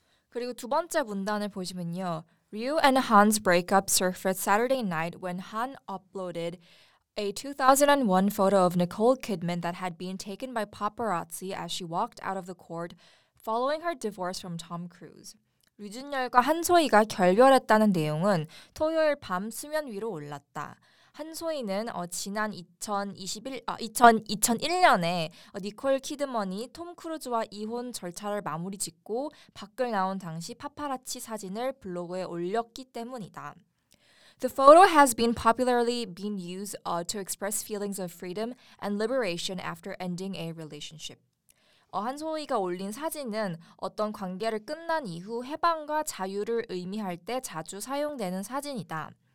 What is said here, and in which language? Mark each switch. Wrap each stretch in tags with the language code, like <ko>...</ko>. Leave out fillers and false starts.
<ko>그리고 두 번째 문단을 보시면요.</ko> <en>Ryu and Han's breakup surfaced Saturday night when Han uploaded a 2001 photo of Nicole Kidman that had been taken by paparazzi as she walked out of the court following her divorce from Tom Cruise.</en> <ko>류준열과 한소희가 결별했다는 내용은 토요일 밤 수면 위로 올랐다. 한소희는 지난 2001년에 니콜 키드먼이 톰 크루즈와 이혼 절차를 마무리 짓고 밖을 나온 당시 파파라치 사진을 블로그에 올렸기 때문이다.</ko> <en>The photo has been popularly been used to express feelings of freedom and liberation after ending a relationship.</en> <ko>한소희가 올린 사진은 어떤 관계를 끝난 이후 해방과 자유를 의미할 때 자주 사용되는 사진이다.</ko>